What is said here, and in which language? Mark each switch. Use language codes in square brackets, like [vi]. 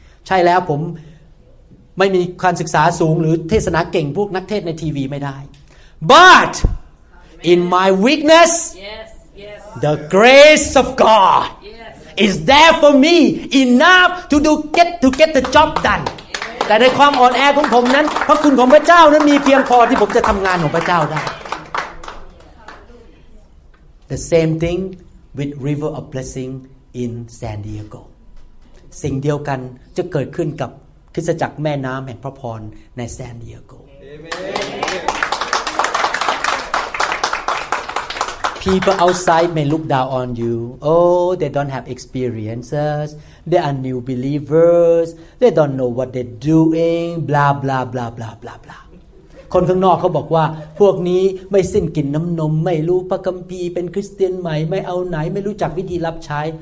[th] ใช่แล้วผมไม่มีการศึกษาสูงหรือเทศนาเก่งพวกนักเทศในทีวีไม่ได้ [en] But in my weakness, the grace of God is there for me enough to do get the job done. [th] แต่ในความอ่อนแอของผมนั้นพระคุณของพระเจ้านั้นมีเพียงพอที่ผมจะทำงานของพระเจ้าได้ [en] The same thing with River of Blessing in San Diego. [th] สิ่งเดียวกันจะเกิดขึ้นกับคริสตจักรแม่น้ำแห่งพระพรในซานดิเอโก [en] People outside may look down on you. Oh, they don't have experiences. They are new believers. They don't know what they're doing. Blah blah blah blah blah blah. [th] คนข้างนอกเขาบอกว่าพวกนี้ไม่สิ้นกินน้ำนมไม่รู้พระคัมภีร์เป็นคริสเตียนใหม่ไม่เอาไหนไม่รู้จักวิธีรับใช้